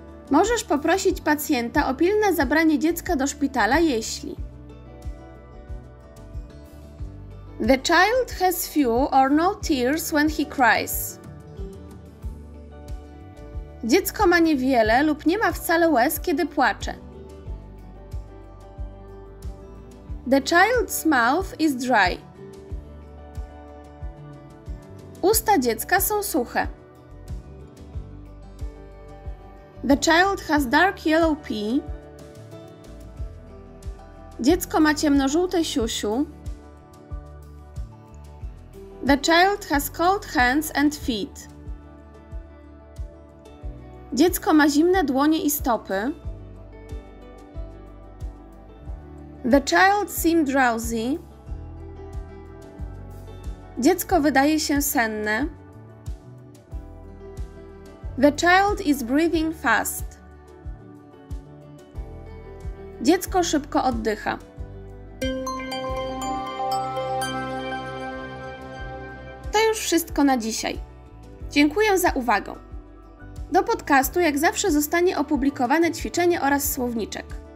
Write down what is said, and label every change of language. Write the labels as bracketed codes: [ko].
[pl] Możesz poprosić pacjenta o pilne zabranie dziecka do szpitala, jeśli. [en] The child has few or no tears when he cries. [pl] Dziecko ma niewiele lub nie ma wcale łez, kiedy płacze. [en] The child's mouth is dry. [pl] Usta dziecka są suche. [en] The child has dark yellow pee. [pl] Dziecko ma ciemnożółte siusiu. [en] The child has cold hands and feet. [pl] Dziecko ma zimne dłonie i stopy. [en] The child seems drowsy. [pl] Dziecko wydaje się senne. [en] The child is breathing fast. [pl] Dziecko szybko oddycha. To już wszystko na dzisiaj. Dziękuję za uwagę. Do podcastu, jak zawsze, zostanie opublikowane ćwiczenie oraz słowniczek.